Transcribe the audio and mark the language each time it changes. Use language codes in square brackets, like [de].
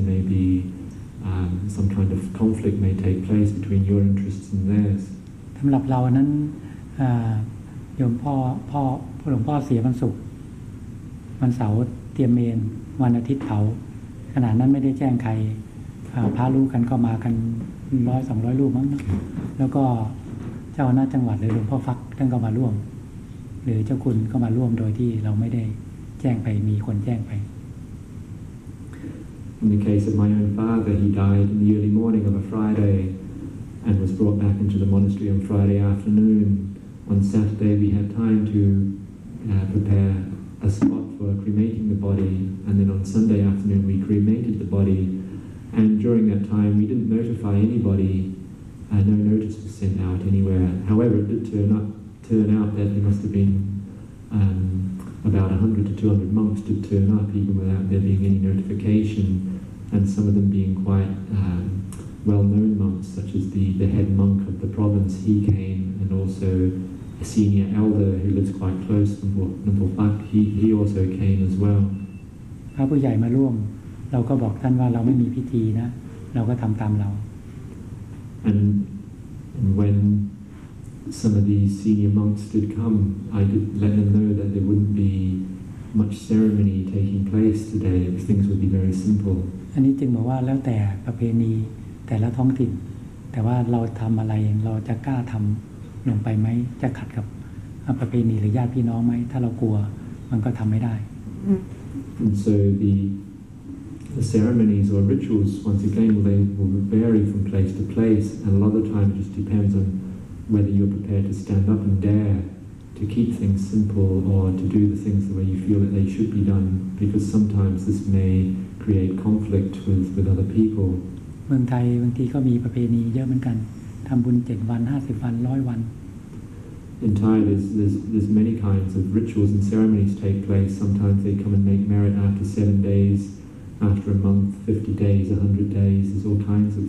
[en] There may be some kind of conflict may take place between your interests and theirs. [th] สำหรับเรานั้นโยมพ่อหลวงพ่อเสียวันศุกร์วันเสาร์เตรียมเมนวันอาทิตย์เผาขณะนั้นไม่ได้แจ้งใครพาลูกกันก็มากัน100-200ลูกมั้งแล้วก็เจ้าหน้าจังหวัดหรือหลวงพ่อฟักท่านก็มาร่วมหรือเจ้าคุณก็มาร่วมโดยที่เราไม่ได้แจ้งไปมีคนแจ้งไป [en] In the case of my own father, he died in the early morning of a FridayAnd was brought back into the monastery on Friday afternoon. On Saturday, we had time to prepare a spot for cremating the body, and then on Sunday afternoon, we cremated the body. And during that time, we didn't notify anybody. No notice was sent out anywhere. However, it did turn out that there must have been about 100 to 200 monks did turn up, even without there being any notification, and some of them being quite. Well-known monks, such as the head monk of the province, he came, and also a senior elder who lives quite close to Nampulpak, he also came as well. [th] พระผู้ใหญ่มาร่วมเราก็บอกท่านว่าเราไม่มีพิธีนะเราก็ทำตามเรา [en] And when some of these senior monks did come, I did let them know that there wouldn't be much ceremony taking place today. Things would be very simple. [th] อันนี้จึงบอกว่าแล้วแต่ประเพณีแต่ละท้องถิ่นแต่ว่าเราทำอะไรเราจะกล้าทำลงไปไหมจะขัดกับประเพณีหรือญาติพี่น้องไหมถ้าเรากลัวมันก็ทำไม่ได้ [en] And so the ceremonies or rituals, once again, will vary from place to place, and a lot of the time it just depends on whether you're prepared to stand up and dare to keep things simple or to do the things the way you feel that they should be done, because sometimes this may create conflict with other people. [th] เมืองไทยบางทีก็มีประเพณีเยอะเหมือนกันทำบุญ7วัน50วัน100วัน [en] In Thai, there's many kinds of rituals and ceremonies take place. Sometimes they come and make merit after 7 days, after a month, 50 days, 100 days. There's all kinds.